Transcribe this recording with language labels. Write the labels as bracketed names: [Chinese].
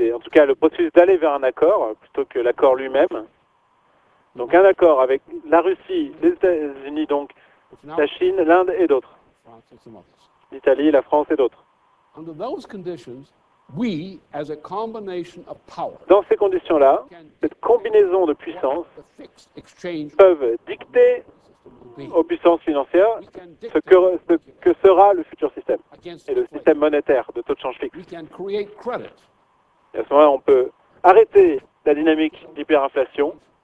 [French] En tout cas, le processus d'aller vers un accord plutôt que l'accord lui-même. Donc un accord avec la Russie, les États-Unis, donc la Chine, l'Inde et d'autres. L'Italie, la France et d'autres. [English] Under those conditions, we, as a combination of power, [French] dans ces conditions-là, cette combinaison de puissances peuvent dicter aux puissances financières ce que sera le futur système et le système monétaire de taux de change fixe. [English] We can create credit. [French] Et à ce moment-là, on peut arrêter la dynamique d'hyperinflation.